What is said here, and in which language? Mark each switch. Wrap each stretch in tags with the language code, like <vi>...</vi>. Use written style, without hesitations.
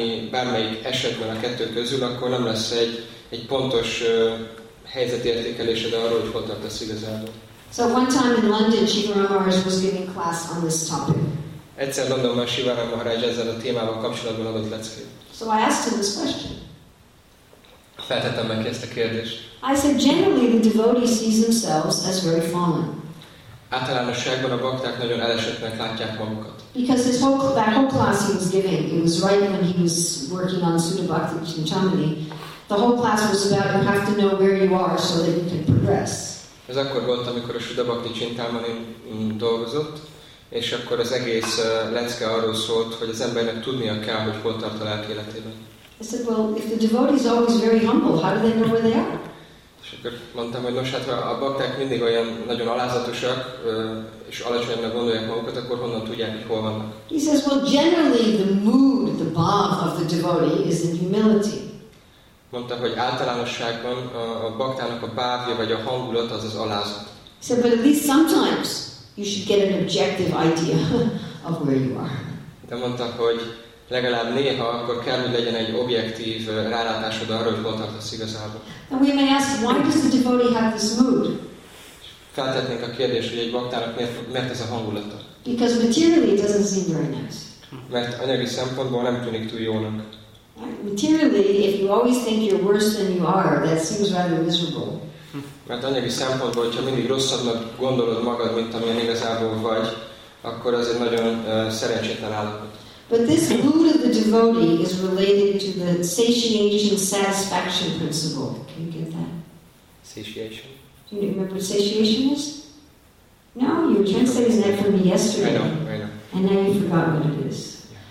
<hu>Bármelyik esetben a kettő közül, akkor nem lesz egy pontos helyzetértékelésed arról, hogy hol tartasz igazából.</hu> <en>So one time in London, Shivaram Maharaj was giving class on this topic.</en> <hu>Egyszer Londonban Shivaram Maharaj ezzel a témával kapcsolatban adott leckét.</hu> <en>So I asked him this question.</en> <hu>Feltettem neki ezt a kérdést.</hu> <en>I said, generally the devotee sees themselves as very fallen.</en> <hu>Általánosságban a bakták nagyon elesettnek látják magukat.</hu> <en>Because that whole class he was giving, it was right when he was working on Sutta Bhakti Chintamani. The whole class was about you have to know where you are so that you can progress.</en> <hu>Ez akkor volt, amikor a Sutta Bhakti Chintamani dolgozott, és akkor az egész lecke arról szólt, hogy az embernek tudnia kell, hogy hol tart a lelki életében.</hu> <en>I said, well, if the devotee is always very humble, how do they know where they are?</en> <hu>És akkor mondtam, hogy nos, hát a bakták mindig olyan nagyon alázatosak, és alacsonyabbnak gondolják magukat, akkor honnan tudják, hogy hol vannak?</hu> <en>He says, well, generally the mood, the bhav of the devotee is in humility.</en> <hu>Mondta, hogy általánosságban a baktának a bhavja, vagy a hangulat, az az alázat.</hu> <en>He said, but at least sometimes you should get an objective idea of where you are.</en> <hu>De mondta, hogy legalább néha akkor kell, hogy legyen egy objektív rálátásod arra, hogy hol tartasz igazából.</hu> <en>And we may ask, why does the devotee have this mood?</en> <hu>Feltetnénk a kérdést, hogy egy baktának miért ez a hangulata?</hu> <en>Because materially it doesn't seem very nice.</en> <hu>Mert anyagi szempontból nem tűnik túl jónak.</hu> <en>Materially, if you always think you're worse than you are, that seems rather miserable.</en> <hu>Mert anyagi szempontból, hogyha mindig rosszabbnak gondolod magad, mint amilyen igazából vagy, akkor az egy nagyon szerencsétlen állapot.</hu> <en>But this mood of the devotee is related to the satiation satisfaction principle. Can you get that? Satiation. Do you remember what satiation is? No, you were translating that for me yesterday. I know. And now you forgot what it is. Yeah.</en>